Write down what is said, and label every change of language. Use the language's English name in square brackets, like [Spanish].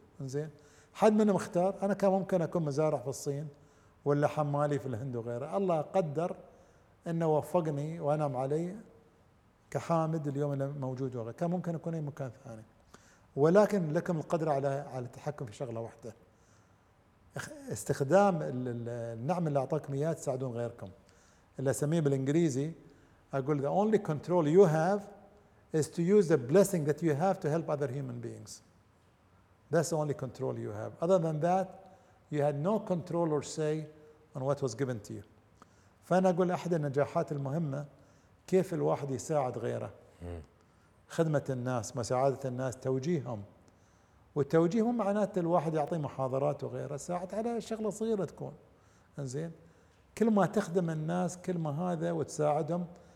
[Arabic] إنزين، حد منهم اختار؟ أنا كان ممكن أكون مزارع في الصين ولا حمالي في الهند وغيره، الله قدر أنه وفقني وأنعم علي كحامد اليوم اللي موجود وغيره، كان ممكن أكون أي مكان ثاني، ولكن لكم القدرة على التحكم في شغلة واحدة، استخدام النعم اللي أعطاكم إياه تساعدون غيركم، اللي أسميه بالإنجليزي أقول [English] the only control you have is to use the blessing that you have to help other human beings. That's the only control you have. Other than that, you had no control or say on what was given to you. [Arabic] فأنا أقول أحد النجاحات المهمة كيف الواحد يساعد غيره، خدمة الناس، مساعدة الناس، توجيههم، والتوجيههم معناته الواحد يعطي محاضرات وغيره، ساعد على شغلة صغيرة تكون. إنزين، كل ما تخدم الناس كل ما هذا وتساعدهم.